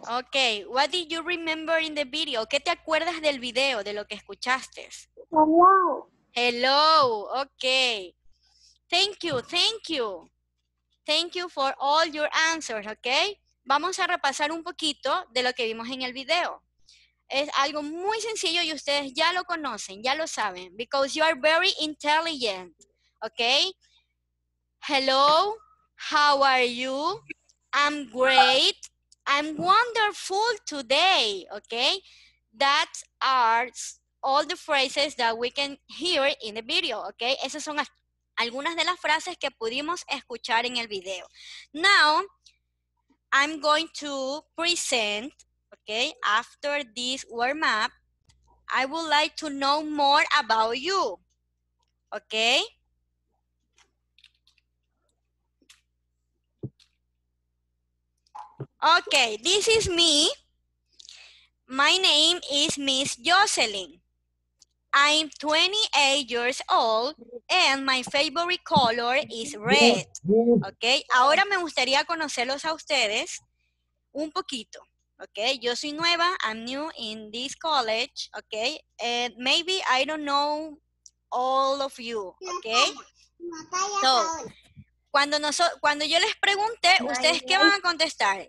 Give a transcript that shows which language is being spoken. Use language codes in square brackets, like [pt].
[en] Ok, what did you remember in the video? [es] ¿Qué te acuerdas del video, de lo que escuchaste? [en] Hello. Hello, ok. Thank you. Thank you for all your answers, ok. [es] Vamos a repasar un poquito de lo que vimos en el video. Es algo muy sencillo y ustedes ya lo conocen, ya lo saben. [en] Because you are very intelligent, ok. Hello, how are you? I'm great. I'm wonderful today, okay? That are all the phrases that we can hear in the video, okay? [es] Esas son algunas de las frases que pudimos escuchar en el video. [en] Now, I'm going to present, okay, after this warm-up, I would like to know more about you, okay? Okay, this is me. My name is Miss Jocelyn. I'm 28 years old and my favorite color is red. [es] Okay, ahora me gustaría conocerlos a ustedes un poquito. [en] Okay, [es] yo soy nueva. [en] I'm new in this college. Okay, and maybe I don't know all of you. Okay, so, [es] cuando yo les pregunté, ¿ustedes qué van a contestar?